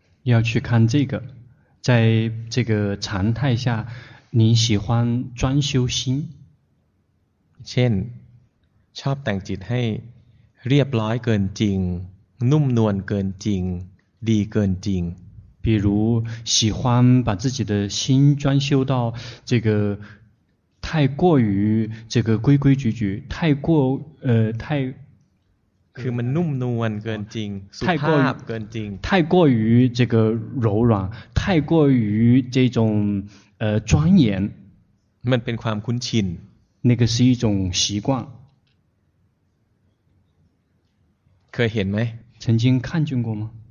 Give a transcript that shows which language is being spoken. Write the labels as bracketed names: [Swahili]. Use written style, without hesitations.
[Chinese] 要去看这个在这个常态下你喜欢专修心 [Thai] เช่นชอบแต่งจิตให้เรียบร้อยเกินจริงนุ่มนวลเกินจริงดีเกินจริง [Chinese] 比如喜欢把自己的心专修到这个太过于这个规规矩矩太过太 [Thai] คือมันนุ่มนวลเกินจริงสุภาพเกินจริง [Chinese] 太过于这个柔软太过于这种庄严 [Thai] มันเป็นความคุ้นชิน [Chinese] 那个是一种习惯 [Thai] เคยเห็นไหม [Chinese] 曾经看见过吗